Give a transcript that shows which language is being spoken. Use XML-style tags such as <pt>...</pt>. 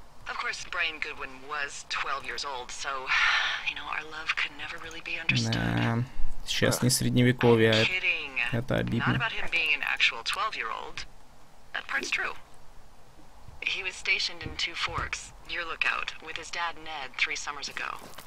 <en>Of course, Brian Goodwin was 12 years old, so, you know, our love could never really be understood.</en> <ru>Nah, сейчас не средневековье, это обидно.</ru> <en>Not about him being an actual 12-year-old. That part's true. He was stationed in Two Forks, your lookout, with his dad Ned 3 summers ago.</en>